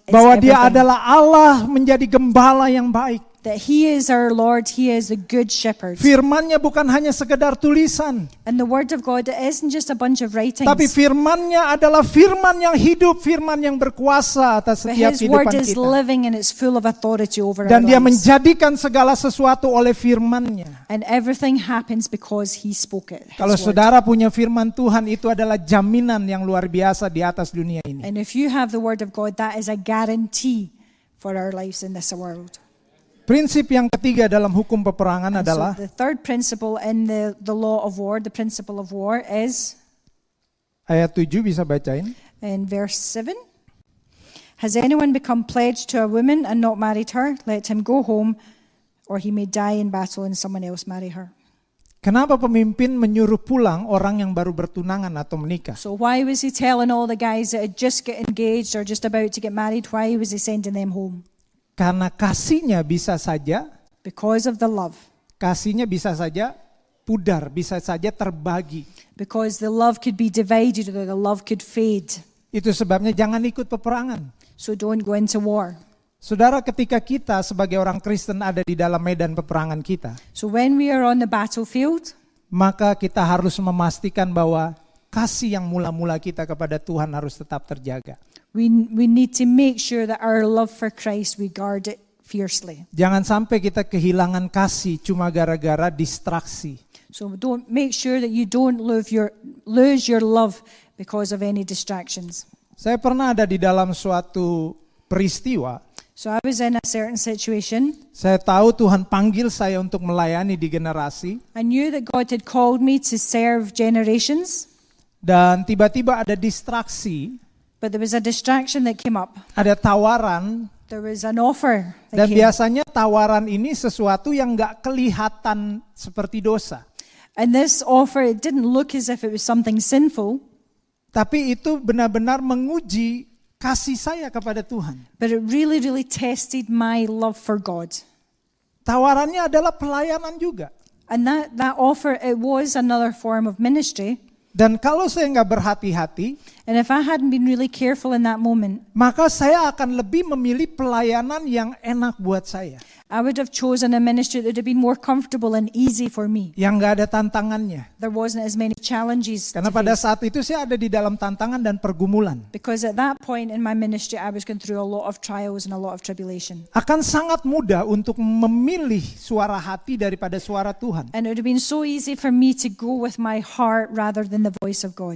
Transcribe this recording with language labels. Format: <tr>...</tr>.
<id>Bahwa Dia adalah Allah menjadi gembala yang baik.</id> <en>That He is our Lord, He is a good shepherd.</en> <id>Firman-Nya bukan hanya sekedar tulisan.</id> <en>And the word of God isn't just a bunch of writings.</en> <id>Tapi firman-Nya adalah firman yang hidup, firman yang berkuasa atas setiap kehidupan kita.</id> <en>But His word is living and it's full of authority over our lives.</en> <id>Dan Dia menjadikan segala sesuatu oleh firman-Nya.</id> <en>And everything happens because He spoke it.</en> <id>Kalau saudara punya firman Tuhan, itu adalah jaminan yang luar biasa di atas dunia ini.</id> <en>And if you have the word of God, that is a guarantee for our lives in this world.</en> <id>Prinsip yang ketiga dalam hukum peperangan adalah</id> <en>the third principle in the law of war, the principle of war is</en> <id>ayat 7 bisa bacain.</id> <en>In verse 7, has anyone become pledged to a woman and not married her? Let him go home or he may die in battle and someone else marry her.</en> <id>Kenapa pemimpin menyuruh pulang orang yang baru bertunangan atau menikah?</id> <en>So why was he telling all the guys that had just get engaged or just about to get married, why was he sending them home?</en> <id>Karena kasihnya bisa saja,</id> <en>because of the love,</en> <id>kasihnya bisa saja pudar, bisa saja terbagi.</id> <en>Because the love could be divided or the love could fade.</en> <id>Itu sebabnya jangan ikut peperangan.</id> <en>So don't go into war.</en> <id>Saudara, ketika kita sebagai orang Kristen ada di dalam medan peperangan kita,</id> <en>so when we are on the battlefield,</en> <id>maka kita harus memastikan bahwa kasih yang mula-mula kita kepada Tuhan harus tetap terjaga.</id> <en>We need to make sure that our love for Christ, we guard it fiercely.</en> <id>Jangan sampai kita kehilangan kasih cuma gara-gara distraksi.</id> <en>So don't make sure that you don't lose your love because of any distractions.</en> <id>Saya pernah ada di dalam suatu peristiwa.</id> <en>So I was in a certain situation.</en> <id>Saya tahu Tuhan panggil saya untuk melayani di generasi.</id> <en>I knew that God had called me to serve generations.</en> <id>Dan tiba-tiba ada distraksi.</id> <en>But there was a distraction that came up.</en> <id>Ada tawaran.</id> <en>There was an offer.</en> <id>Dan biasanya tawaran ini sesuatu yang enggak kelihatan seperti dosa.</id> <en>And this offer, it didn't look as if it was something sinful.</en> <id>Tapi itu benar-benar menguji kasih saya kepada Tuhan.</id> <en>But it really, really tested my love for God.</en> <id>Tawarannya adalah pelayanan juga.</id> <en>And that offer, it was another form of ministry.</en> <id>Dan kalau saya enggak berhati-hati,</id> <en>and if I hadn't been really careful in that moment,</en> <id>maka saya akan lebih memilih pelayanan yang enak buat saya.</id> <en>I would have chosen a ministry that would have been more comfortable and easy for me.</en> <id>Yang enggak ada tantangannya.</id> <en>There wasn't as many challenges.</en> <id>Karena pada saat itu saya ada di dalam tantangan dan pergumulan.</id> <en>Because at that point in my ministry I was going through a lot of trials and a lot of tribulation.</en> <id>Akan sangat mudah untuk memilih suara hati daripada suara Tuhan.</id> <en>And it would have been so easy for me to go with my heart rather than the voice of God.</en>